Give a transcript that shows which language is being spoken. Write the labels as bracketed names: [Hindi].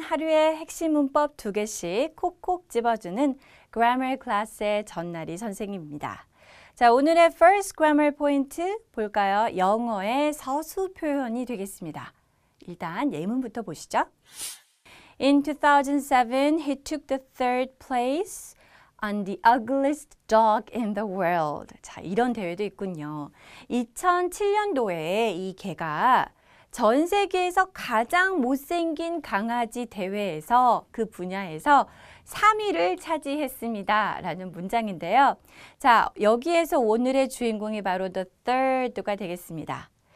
[Korean] 하루의 핵심 문법 두 개씩 콕콕 집어주는 grammar class의 전나리 선생입니다. 자, 오늘의 [English] first grammar point [Korean] 볼까요? 영어의 서술 표현이 되겠습니다. 일단 예문부터 보시죠. [English] In 2007, he took the third place on the ugliest dog in the world. [Korean] 자, 이런 대회도 있군요. 2007년도에 이 개가 전 세계에서 가장 못생긴 강아지 대회에서 그 분야에서 3위를 차지했습니다. 라는 문장인데요. 자, 여기에서 오늘의 주인공이 바로 the third가 되겠습니다.